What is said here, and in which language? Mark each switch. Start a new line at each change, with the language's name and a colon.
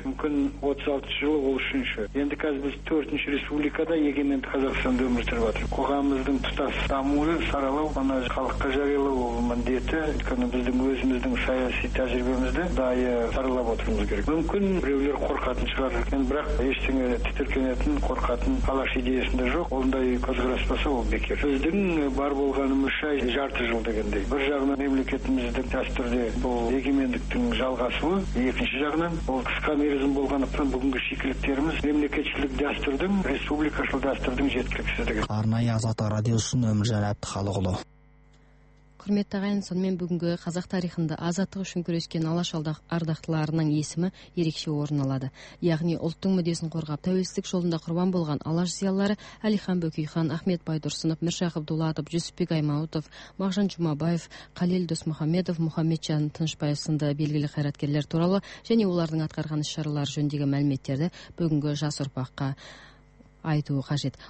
Kazakh: Мүмкін 36 жылы ол үшінші. Енді қазір біз 4-ші республикада егеменді Қазақстанды өмір сүріп жатырмыз. Қоғамымыздың тұтас дамуы, саралау, ана халыққа жариялау міндеті, өйткені біздің өзіміздің саяси тәжірибемізді дайы саралап отыруымыз керек. Мүмкін біреулер
Kyrgyz: бирөөлөр коркатын чыгар экен, бирок эч тиңе титиркенетин коркатын алаш идеясында жок. Ондай көзкарас болсо ол бекер. Өздүн бар болгону мышай жарты жыл дегендей. Бир жагынан мамлекетибиздин дастурунда бул эгемендиктин жалгасуу, экинчи жагынан бул кыска мерзим болгондуктан бүгүнкү шикиликтерибиз мамлекетчилик дастурдун, республикачыл дастурдун жеткиликсиздиги. Арнайы Азат радиосунун Өмүржан Абдыхалыгулу.
Kazakh: Құрметті ағайын, сонымен бүгінгі қазақ тарихында азаттық үшін күрескен алаш ардақтыларының есімі ерекше орын алады. Яғни ұлттың мүддесін қорғап, тәуелсіздік жолында құрбан болған алаш зиялылары Әлихан Бөкейхан, Ахмет Байтұрсынов, Міржақып Дулатов, Жүсіпбек Аймауытов, Мағжан Жұмабаев, Қалел Досмұхамедов, Мұхамеджан Тынышбаев сынды белгілі қайраткерлер туралы және олардың атқарған іс-шаралары жөніндегі мәліметтерді бүгінгі жас ұрпаққа айтуы қажет.